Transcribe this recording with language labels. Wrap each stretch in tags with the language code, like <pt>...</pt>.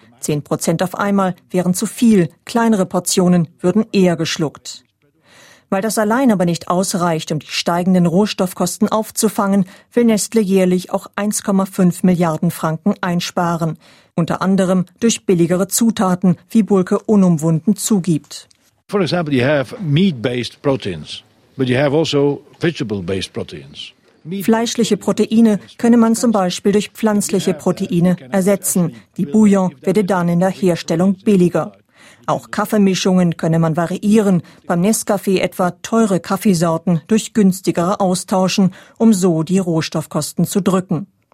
<de>10% auf einmal wären zu viel, kleinere Portionen würden eher geschluckt. Weil das allein aber nicht ausreicht, um die steigenden Rohstoffkosten aufzufangen, will Nestlé jährlich auch 1,5 Milliarden Franken einsparen. Unter anderem durch billigere Zutaten, wie Bulke unumwunden zugibt.</de> <en>For example, you have meat-based proteins, but you have also vegetable-based proteins.</en> <de>Fleischliche Proteine könne man zum Beispiel durch pflanzliche Proteine ersetzen. Die Bouillon werde dann in der Herstellung billiger. Auch Kaffeemischungen könne man variieren, beim Nescafé etwa teure Kaffeesorten durch günstigere austauschen, um so die Rohstoffkosten zu drücken.</de>